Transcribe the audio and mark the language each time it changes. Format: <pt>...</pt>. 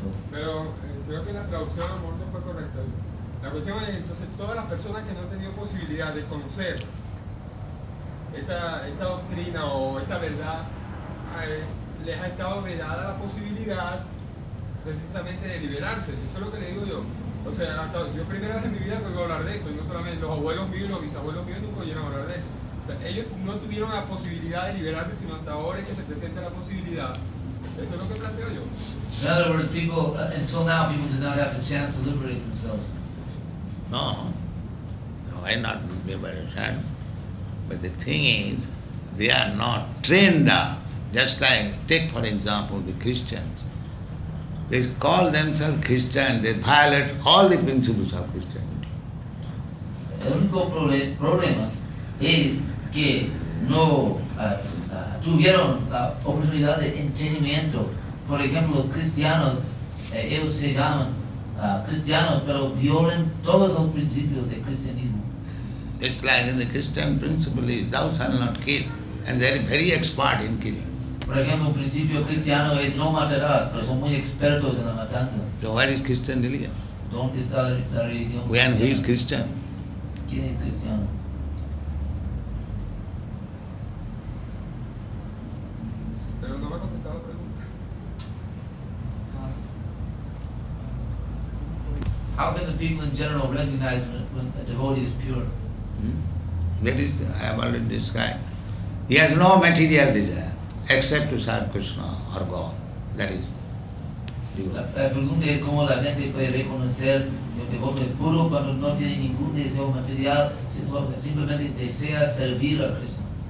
<es>Pero creo que la traducción a lo mejor no fue correcta. La cuestión es, entonces, todas las personas que no han tenido posibilidad de conocer esta doctrina o esta verdad, les ha estado vedada la posibilidad precisamente de liberarse. Eso es lo que le digo yo. O sea, hasta yo primera vez en mi vida que oigo hablar de esto, y no solamente los abuelos míos, los bisabuelos míos nunca oyeron hablar de esto. O sea, ellos no tuvieron la posibilidad de liberarse, sino hasta ahora es que se presenta la posibilidad. Eso es lo que planteo yo.</es> <en>In other words, until now, people did not have the chance to liberate themselves. No. No, I not liberation. But the thing is, they are not trained up. Just like, take for example, the Christians. They call themselves Christian, they violate all the principles of Christianity.</en> <es>El único problema es que no tuvieron la oportunidad de entrenamiento. Por ejemplo, los cristianos, ellos se llaman cristianos, pero violan todos los principios del cristianismo.</es> <en>It's like in the Christian principle is, thou shalt not kill, and they are very expert in killing.</en> <es>Por ejemplo, el principio cristiano es no matarás, pero son muy expertos en la matanza.</es> <en>So where is Christian religion?</en> <es>¿Dónde está la religión?</es> <en>When who is Christian?</en> <es>¿Quién es cristiano? Pero no me ha contestado la pregunta.</es> <en>How can the people in general recognize when a devotee is pure? That is, I have already described. He has no material desire. Except to serve Krishna or God, that is.</en> <es>La pregunta es cómo la gente puede reconocer que el devoto es puro cuando no tiene ningún deseo material, sino que simplemente desea servir a Krishna.</es>